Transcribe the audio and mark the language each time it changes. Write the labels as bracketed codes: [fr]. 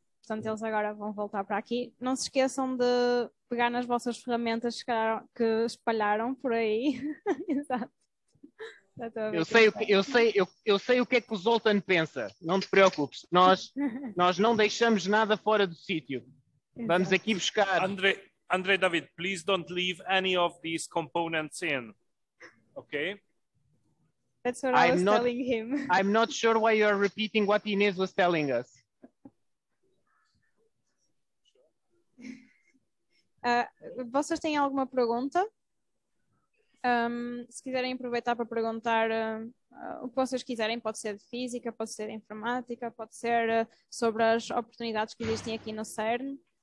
[pt] portanto eles agora vão voltar para aqui. Não se esqueçam de pegar nas vossas ferramentas que espalharam por aí. Exato. Eu sei o que é que o Zoltan pensa, não te preocupes, nós não deixamos nada fora do sítio. Vamos aqui buscar. [en] André David, please don't leave any of these components in. Okay? That's what telling him. I'm not sure why you are repeating what Inês was telling us. [pt] Vocês têm alguma pergunta? Se quiserem aproveitar para perguntar o que vocês quiserem, pode ser de física, pode ser de informática, pode ser sobre as oportunidades que existem aqui no CERN.